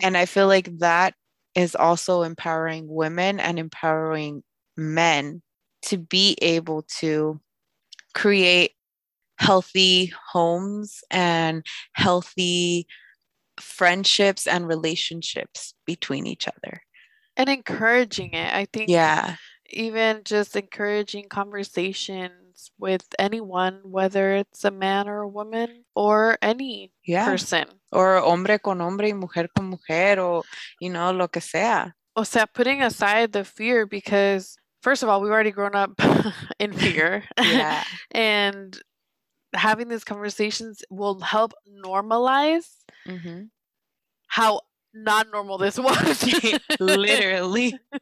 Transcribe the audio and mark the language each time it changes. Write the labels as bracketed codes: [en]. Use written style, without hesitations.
[en] And I feel like that is also empowering women and empowering men to be able to create healthy homes and healthy friendships and relationships between each other. And encouraging it. I think yeah. even just encouraging conversations with anyone, whether it's a man or a woman or any yeah. person. Or [es] hombre con hombre y mujer con mujer o, [en] you know, [es] lo que sea. O sea, [en] putting aside the fear because, first of all, we've already grown up in fear. Yeah. And having these conversations will help normalize mm-hmm. how not normal this was. Literally.